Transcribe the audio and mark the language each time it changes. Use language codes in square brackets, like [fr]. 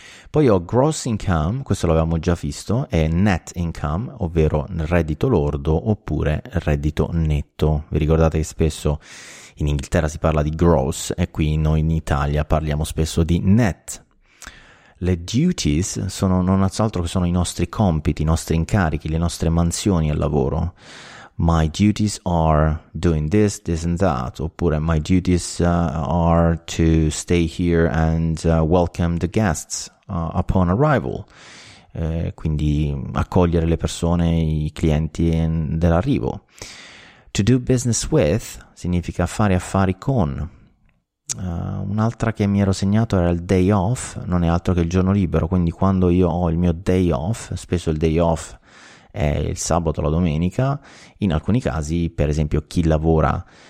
[it] Poi ho gross income, questo l'avevamo già visto, e net income, ovvero reddito lordo oppure reddito netto. Vi ricordate che spesso in Inghilterra si parla di gross e qui noi in Italia parliamo spesso di net. Le duties sono non altro che sono i nostri compiti, i nostri incarichi, le nostre mansioni al lavoro. [en] My duties are doing this, this and that. Oppure my duties are to stay here and welcome the guests upon arrival. [it] Quindi accogliere le persone, i clienti dell'arrivo. To do business with significa fare affari con. Un'altra che mi ero segnato era il day off, non è altro che il giorno libero, quindi quando io ho il mio day off, spesso il day off è il sabato o la domenica, in alcuni casi, per esempio chi lavora